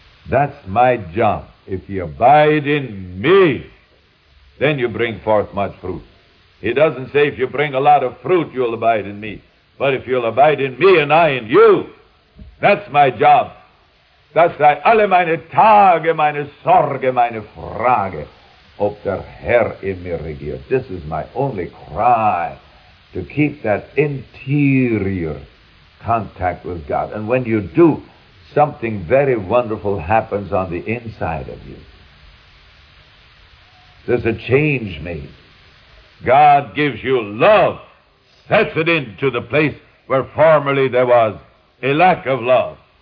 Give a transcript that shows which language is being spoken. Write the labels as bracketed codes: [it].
[en] That's my job. If you abide in me, then you bring forth much fruit. He doesn't say if you bring a lot of fruit, you'll abide in me. But if you'll abide in me and I in you, that's my job. [de] Das sei alle meine Tage, meine Sorge, meine Frage, ob der Herr in mir regiert. [en] This is my only cry, to keep that interior contact with God. And when you do, something very wonderful happens on the inside of you. There's a change made. God gives you love, sets it into the place where formerly there was a lack of love.